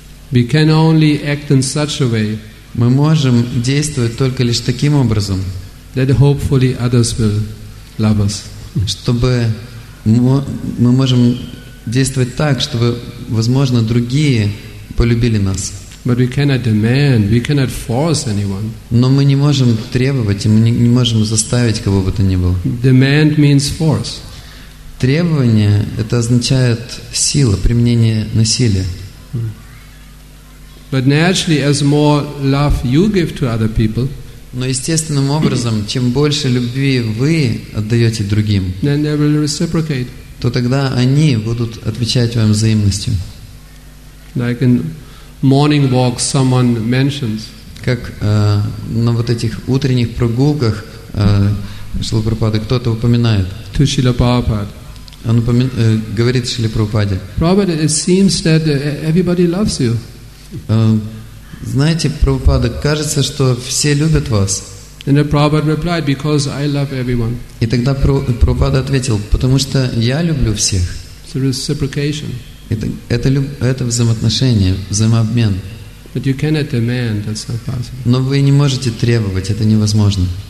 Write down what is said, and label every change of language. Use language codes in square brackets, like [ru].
[en] We can only act in such a way. [ru] Мы можем действовать только лишь таким образом. [en] That hopefully others will love us. [ru] Чтобы мы можем действовать так, чтобы, возможно, другие полюбили нас. [en] But we cannot demand, we cannot force anyone. [ru] Но мы не можем требовать, и мы не можем заставить кого бы то ни было. [en] Demand means force. [ru] Требование — это означает сила, применение насилия. [en] But naturally, as more love you give to other people, [ru] но естественным образом, чем больше любви вы отдаете другим, [en] then they will reciprocate. [ru] То тогда они будут отвечать вам взаимностью. [en] Like in morning walk, someone mentions. [ru] Как на вот этих утренних прогулках Шрила Прабхупады кто-то упоминает. [en] To Шрила Прабхупад. [ru] Он говорит Шриле Прабхупаде. [en] Prabhupada, it seems that everybody loves you. [ru] Знаете, Прабхупада, кажется, что все любят вас. [en] And then Prabhupada replied, because I love everyone. [ru] И тогда Прабхупада ответил, потому что я люблю всех. [en] So reciprocation. [ru] Это взаимоотношение, взаимообмен. [en] But you cannot demand, that's not possible. [ru] Но вы не можете требовать, это невозможно.